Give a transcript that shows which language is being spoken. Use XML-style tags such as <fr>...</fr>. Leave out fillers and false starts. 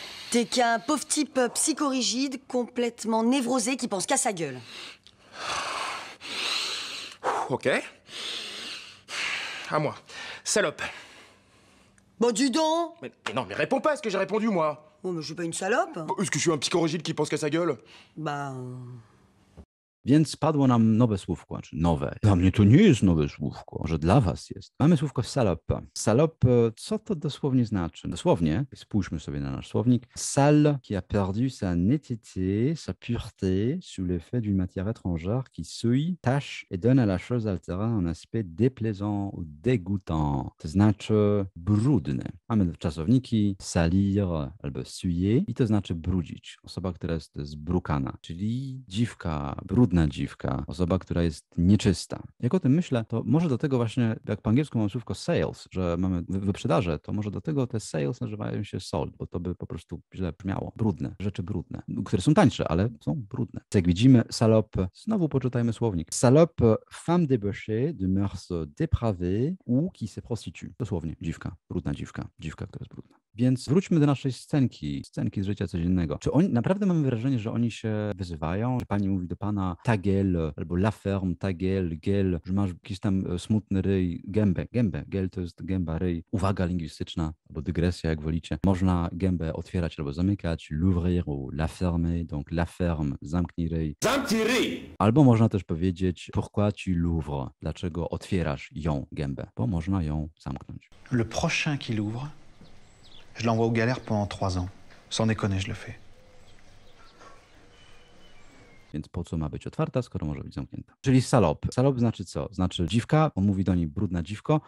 <fr>T'es qu'un pauvre type psychorigide, complètement névrosé, qui pense qu'à sa gueule. Ok. À moi. Salope. Bon, dis donc. Mais non, mais réponds pas à ce que j'ai répondu, moi. Oh, mais je suis pas une salope. Est-ce que je suis un psychorigide qui pense qu'à sa gueule?</fr> <pl>Więc padło nam nowe słówko, czy nowe. Dla mnie to nie jest nowe słówko, może dla was jest. Mamy słówko salope. Salope, co to dosłownie znaczy? Dosłownie, spójrzmy sobie na nasz słownik.</pl> <fr>Sale qui a perdu sa netteté, sa pureté sous l'effet d'une matière étrangère qui souille, tache et donne à la chose altérée un aspect déplaisant ou dégoûtant.</fr> <pl>To znaczy brudne. Mamy czasowniki salir albo suyer i to znaczy brudzić. Osoba, która jest zbrukana, czyli dziwka brudna. brudna dziwka, osoba, która jest nieczysta. Jak o tym myślę, to może do tego właśnie, jak po angielsku mamy słówko sales, że mamy wyprzedaże, to może do tego te sales nazywają się sold, bo to by po prostu źle brzmiało. Brudne, rzeczy brudne, które są tańsze, ale są brudne. Jak widzimy, salope, znowu poczytajmy słownik.</pl> <fr>Salope, femme débauchée de mœurs dépravées ou qui se prostitue.</fr> <pl>Dosłownie, dziwka, brudna dziwka, dziwka, która jest brudna. Więc wróćmy do naszej scenki, scenki z życia codziennego. Czy oni, naprawdę mamy wrażenie, że oni się wyzywają, że pani mówi do pana</pl> <fr>ta gueule,</fr> <pl>albo</pl> <fr>la ferme, ta gueule, gueule,</fr> <pl>że masz jakiś tam smutny ryj, gębę, gębę, gueule to jest gęba, ryj. Uwaga lingwistyczna, albo dygresja, jak wolicie. Można gębę otwierać albo zamykać,</pl> <fr>l'ouvrir, la ferme, donc la ferme,</fr> <pl>zamknij ryj. Zamknij ryj! Albo można też powiedzieć,</pl> <fr>pourquoi tu l'ouvres,</fr> <pl>dlaczego otwierasz ją gębę, bo można ją zamknąć.</pl> <fr>Le prochain qui l'ouvre, je l'envoie aux galères pendant 3 ans. Sans déconner, je le fais.</fr> <pl>Więc po co ma być otwarta, skoro może być zamknięta? Czyli salop. Salop znaczy co? Znaczy dziwka, on mówi do niej brudna dziwko.</pl>